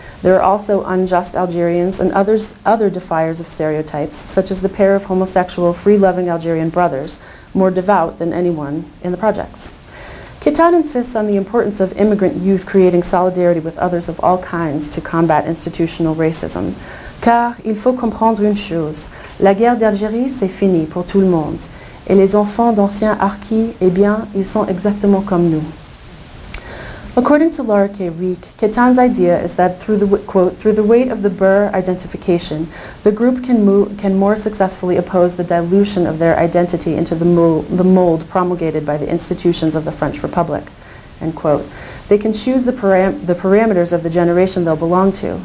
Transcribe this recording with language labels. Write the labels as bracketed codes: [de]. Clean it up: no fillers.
[en] There are also unjust Algerians and other defiers of stereotypes, such as the pair of homosexual, free-loving Algerian brothers, more devout than anyone in the projects. Kitan insists on the importance of immigrant youth creating solidarity with others of all kinds to combat institutional racism. [fr] Car il faut comprendre une chose, la guerre d'Algérie c'est fini pour tout le monde, et les enfants d'anciens harkis, eh bien, ils sont exactement comme nous. [en] According to Laura K. Reek, Kitan's idea is that through the weight of the Burr identification, the group can more successfully oppose the dilution of their identity into the mold promulgated by the institutions of the French Republic. End quote. They can choose the parameters of the generation they'll belong to.